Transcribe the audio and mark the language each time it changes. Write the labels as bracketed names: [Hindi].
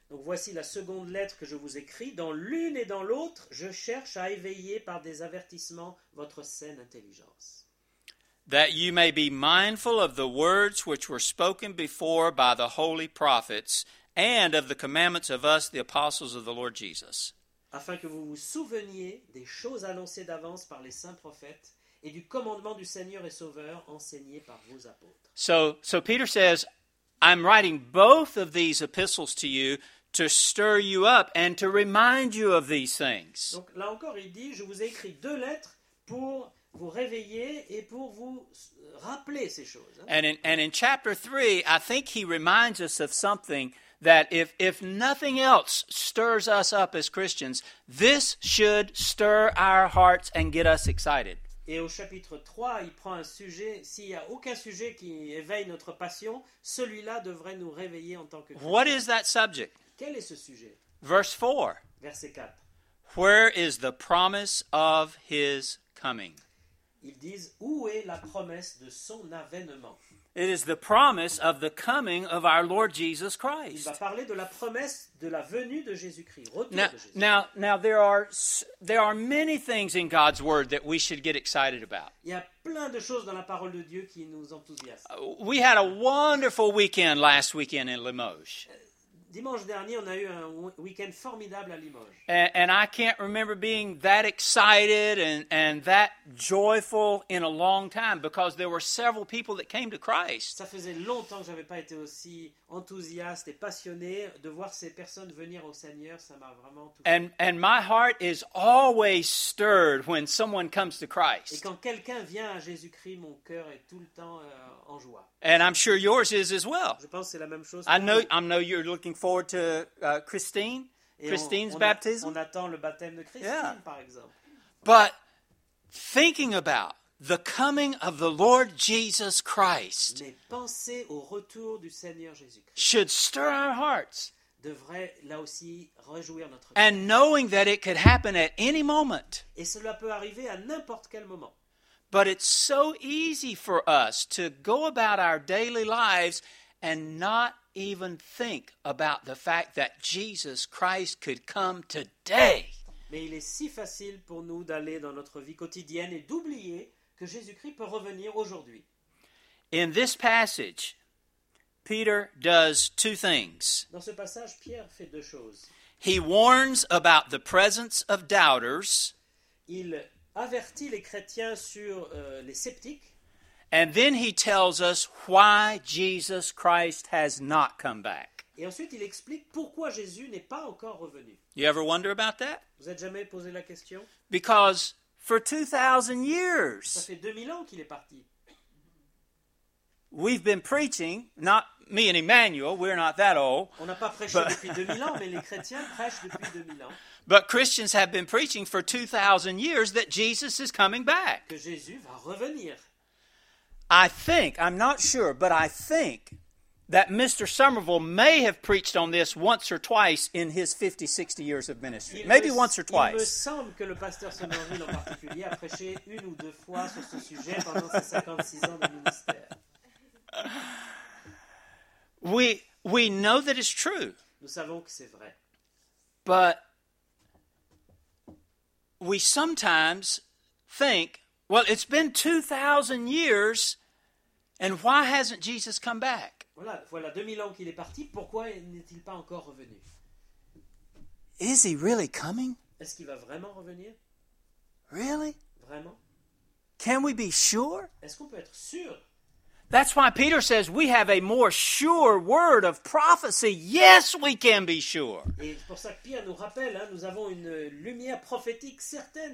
[French] Donc voici la seconde lettre que je vous écris. Dans l'une et dans l'autre, je cherche à éveiller par des avertissements votre saine intelligence. [English] That you may be mindful of the words which were spoken before by the holy prophets and of the commandments of us, the apostles of the Lord Jesus. [French] Afin que vous vous souveniez des choses annoncées d'avance par les saints prophètes et du commandement du Seigneur et Sauveur enseigné par vos apôtres. [English] So Peter says, I'm writing both of these epistles to you to stir you up and to remind you of these things. [French] Donc là encore, il dit, je vous ai écrit deux lettres pour vous réveiller et pour vous rappeler ces choses. [English] And in chapter 3, I think he reminds us of something that if nothing else stirs us up as Christians, this should stir our hearts and get us excited. [French] Et au chapitre 3, il prend un sujet, s'il n'y a aucun sujet qui éveille notre passion, celui-là devrait nous réveiller en tant que [English] Christians. What is that subject? [French] Quel est ce sujet? [English] Verse 4. [French] Verset 4. [English] Where is the promise of his coming? [French] Ils disent, où est la promesse de son avènement? [English] It is the promise of the coming of our Lord Jesus Christ. [French] Il va parler de la promesse de la venue de Jésus-Christ, retour [English] now, [French] de Jésus. [English] Now there are many things in God's word that we should get excited about. [French] Il y a plein de choses dans la parole de Dieu qui nous enthousiasment. [English] We had a wonderful weekend last weekend in Limoges. [French] Dimanche dernier, on a eu un weekend formidable à Limoges. [English] And I can't remember being that excited and that joyful in a long time because there were several people that came to Christ. [French] Ça faisait longtemps que j'avais pas été aussi enthousiaste et passionné de voir ces personnes venir au Seigneur. Ça m'a vraiment touché. [English] And my heart is always stirred when someone comes to Christ. [French] Et quand quelqu'un vient à Jésus-Christ, mon cœur est tout le temps en joie. [English] And I'm sure yours is as well. [French] Je pense que c'est la même chose. [English] I know you're looking forward to Christine. Et Christine's baptism. [French] On attend le baptême de Christine, [English] yeah. [French] Par exemple. [English] But thinking about the coming of the Lord Jesus Christ. [French] Mais penser au retour du Seigneur Jésus-Christ. [English] Should stir our hearts. [French] Devrait là aussi réjouir notre cœur. [English] And knowing that it could happen at any moment. [French] Et cela peut arriver à n'importe quel moment. [English] But it's so easy for us to go about our daily lives and not even think about the fact that Jesus Christ could come today. [French] Mais il est si facile pour nous d'aller dans notre vie quotidienne et d'oublier que Jésus-Christ peut revenir aujourd'hui. [English] In this passage, Peter does two things. [French] Dans ce passage, Pierre fait deux choses. [English] He warns about the presence of doubters. [French] Il avertit les chrétiens sur les sceptiques. [English] And then he tells us why Jesus Christ has not come back. [French] Et ensuite, il explique pourquoi Jésus n'est pas encore revenu. [English] You ever wonder about that? [French] Vous êtes jamais posé la question? [English] Because for 2,000 years, [French] ça fait 2000 ans qu'il est parti. [English] We've been preaching, not me and Emmanuel, we're not that old. [French] On n'a pas prêché depuis 2000 ans, mais les chrétiens prêchent depuis 2000 ans. [English] But Christians have been preaching for 2,000 years that Jesus is coming back. [French] Que Jésus va revenir. [English] I think, I'm not sure, but I think that Mr. Somerville may have preached on this once or twice in his 50, 60 years of ministry. Maybe once or twice. [French] Il me semble que le pasteur Somerville en particulier a prêché une ou deux fois sur ce sujet pendant ses 56 ans de ministère. [English] We know that it's true. [French] Nous savons que c'est vrai. [English] But we sometimes think, well, it's been 2,000 years. And why hasn't Jesus come back? [French] Voilà 2000 ans qu'il est parti. Pourquoi n'est-il pas encore revenu? [English] Is he really coming? [French] Est-ce qu'il va vraiment revenir? [English] Really? [French] Vraiment? [English] Can we be sure? [French] Est-ce qu'on peut être sûr? [English] That's why Peter says we have a more sure word of prophecy. Yes, we can be sure. [French] Et pour ça que Pierre nous rappelle, hein, nous avons une lumière prophétique certaine.